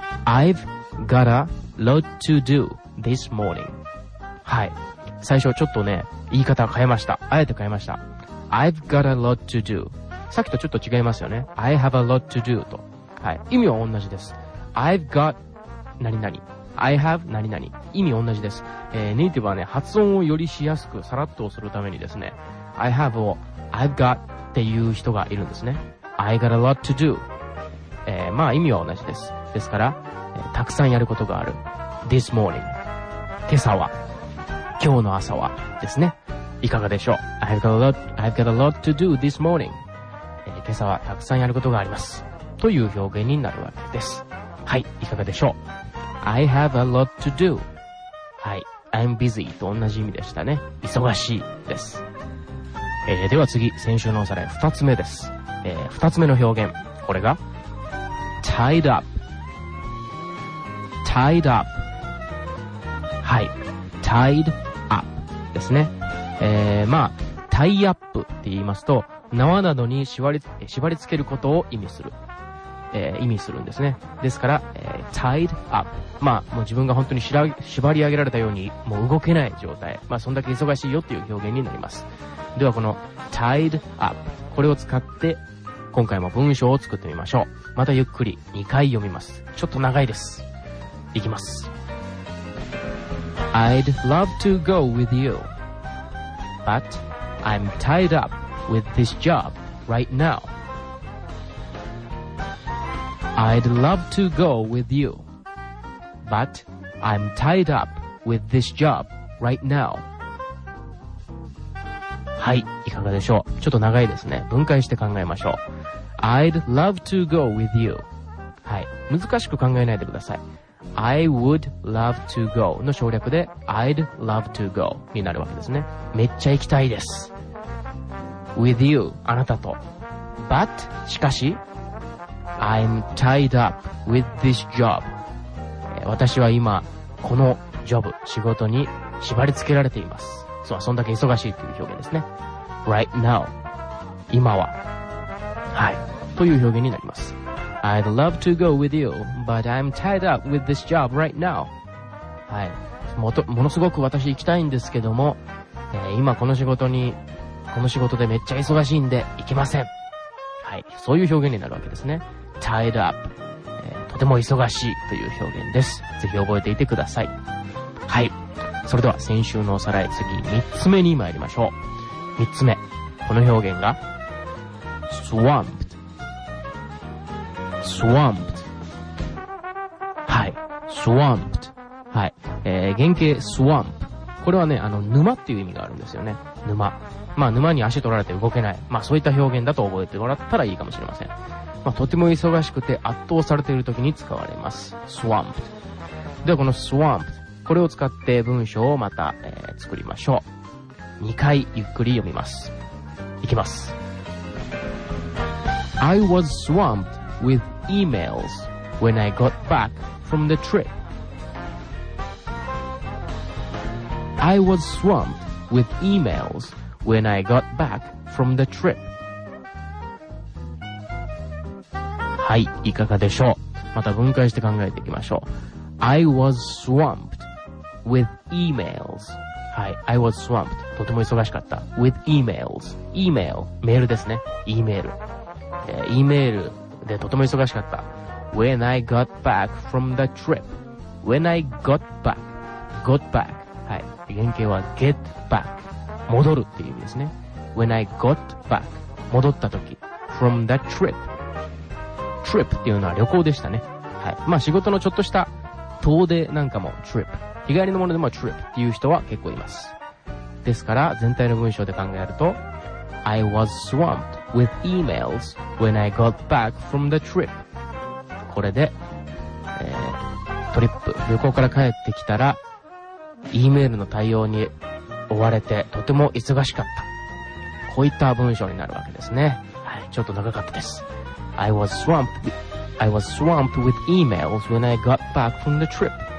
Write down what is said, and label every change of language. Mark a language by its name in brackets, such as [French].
[English] I've got a lot to do this morning。 [Japanese] はい、最初ちょっとね、言い方変えました。あえて変えました。 [English] I've got a lot to do、 [Japanese] さっきとちょっと違いますよね。 [English] I have a lot to do [Japanese] と、はい、意味は同じです。I've got 何々、 I have 何々、意味同じです。ネイティブはね、発音をよりしやすくさらっとするためにですね、 I have を I've got っていう人がいるんですね。 [English] I got a lot to do、 [Japanese] まあ意味は同じです。ですから、たくさんやることがある。 [English] This morning。 [Japanese] 今朝は。今日の朝は。ですね。いかがでしょう。 [English] I've got a lot to do this morning。 [Japanese] 今朝はたくさんやることがあります。という表現になるわけです。はい。いかがでしょう。 [English] I have a lot to do。 [Japanese] はい。 [English] I'm busy [Japanese] と同じ意味でしたね。忙しいです。では次、先週のおさらい二つ目です。二つ目の表現。これが、Tied up. Tied up. はい。 Tied up ですね。まあ、tie up って言いますと、縄などに縛り付けることを意味する。意味するんですね。ですから、tied up。まあ、もう自分が本当に縛り上げられたように、もう動けない状態。まあ、そんだけ忙しいよっていう表現になります。では、この tied up。これを使って、今回も文章を作ってみましょう。またゆっくり2回読みます。ちょっと長いです。いきます。 [English] I'd love to go with you, but I'm tied up with this job right now. I'd love to go with you, but I'm tied up with this job right now. [Japanese] はい、いかがでしょう。ちょっと長いですね。分解して考えましょう。 [English] I'd love to go with you。 [Japanese] はい、難しく考えないでください。 [English] I would love to go [Japanese] の省略で [English] I'd love to go [Japanese] になるわけですね。めっちゃ行きたいです。 [English] With you、 [Japanese] あなたと。But、 しかし、 [English] I'm tied up with this job、 [Japanese] 私は今このジョブ、仕事に縛り付けられています。そう、そんだけ忙しいという表現ですね。 [English] Right now、 [Japanese] 今は。はい、という表現になります。 [English] I'd love to go with you, but I'm tied up with this job right now。 [Japanese] はい、ものすごく私行きたいんですけども、今この仕事に、この仕事でめっちゃ忙しいんで行きません。はい、そういう表現になるわけですね。tied up、とても忙しいという表現です。ぜひ覚えていてください。はい、それでは先週のおさらい、次3つ目に参りましょう。 3つ目、この表現がSwamped. [English] Swamped. はい。swamped。 [Japanese] はい、原型 swamp、 これはね、あの沼っていう意味があるんですよね。沼、まあ沼に足取られて動けない、まあそういった表現だと覚えてもらったらいいかもしれません。まあとても忙しくて圧倒されている時に使われます、 swamp。ではこの swamp、 これを使って文章をまた、作りましょう。 2回ゆっくり読みます。いきます。 [English] I was swamped with emails when I got back from the trip. I was swamped with emails when I got back from the trip. [Japanese] はい、いかがでしょう。また分解して考えていきましょう。 [English] I was swamped with emails。 [Japanese] はい、 [English] I was swamped、 [Japanese] とても忙しかった。 [English] With emails、 [Japanese] email、 メールですね。 email、 email でとても忙しかった。 [English] When I got back from the trip、 When I got back、 Got back、 [Japanese] はい、原型は [English] get back、 [Japanese] 戻るっていう意味ですね。 [English] When I got back、 [Japanese] 戻った時、 [English] From the trip、 [Japanese] Trip っていうのは旅行でしたね。はい、まあ仕事のちょっとした遠出なんかも trip、日帰りのものでも trip っていう人は結構います。ですから全体の文章で考えると、 [English] I was swamped with emails when I got back from the trip。 [Japanese] これで、トリップ旅行から帰ってきたら E メールの対応に追われてとても忙しかった、こういった文章になるわけですね。はい、ちょっと長かったです。 [English] I was swamped with emails when I got back from the trip。